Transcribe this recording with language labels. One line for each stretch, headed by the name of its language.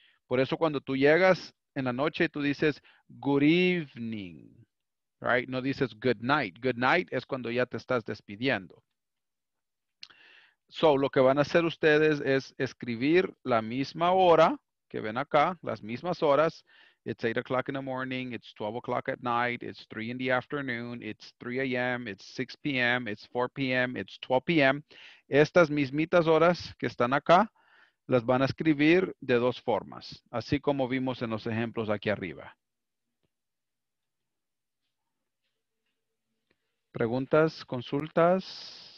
Spanish: Por eso cuando tú llegas en la noche, tú dices
English: good evening.
Spanish: Right? No dices good night. Good night es cuando ya te estás despidiendo. So, lo que van a hacer ustedes es escribir la misma hora que ven acá, las mismas horas.
English: It's 8 o'clock in the morning, it's 12 o'clock at night, it's 3 in the afternoon, it's 3 a.m., it's 6 p.m., it's 4 p.m., it's 12 p.m.
Spanish: Estas mismitas horas que están acá, las van a escribir de dos formas, así como vimos en los ejemplos aquí arriba. Preguntas, consultas.